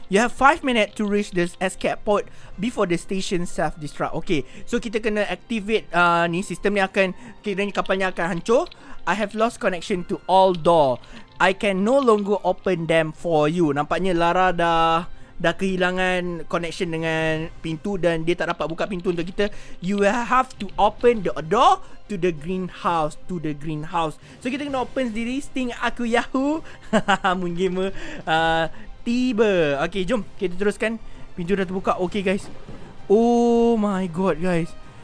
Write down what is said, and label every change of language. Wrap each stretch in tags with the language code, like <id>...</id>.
<en>You have 5 minutes to reach this escape pod before the station self-destruct.</en> <ms>Okay, so kita kena activate ni. Sistem ni akan, kiranya kapalnya akan hancur.</ms> <en>I have lost connection to all door. I can no longer open them for you.</en> <ms>Nampaknya Lara dah kehilangan connection dengan pintu, dan dia tak dapat buka pintu untuk kita.</ms> <en>You have to open the door to the greenhouse.</en> <ms>So kita kena open sendiri. Sting aku yahoo. Moon Gamer tiba. Okay, jom kita teruskan. Pintu dah terbuka.</ms> <en>Okay guys, oh my god guys.</en>